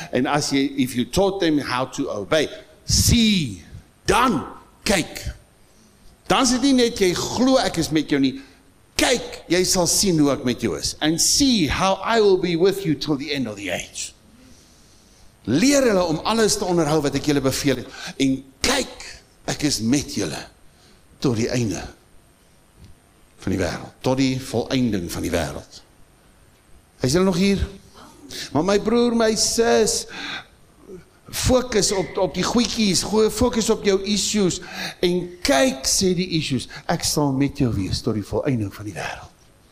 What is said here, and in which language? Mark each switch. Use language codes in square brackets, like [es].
[en] And as you, if you taught them how to obey, see, [af] dan, kyk. Dan sê nie net, jy glo ek is met jou nie. Kyk, jy sal sien hoe ek met jou is. [en] And see how I will be with you till the end of the age. [af] Leer hulle om alles te onderhou wat ek julle beveel het. En kyk, ek is met julle tot die einde van die wêreld. Tot die volëinding van die wêreld. Is julle nog hier? Maar my broer, my sis, fokus op die goeitjies, fokus op jou issues, en kyk, sê die issues, ek sal met jou wees, tot die volëinding van die wêreld,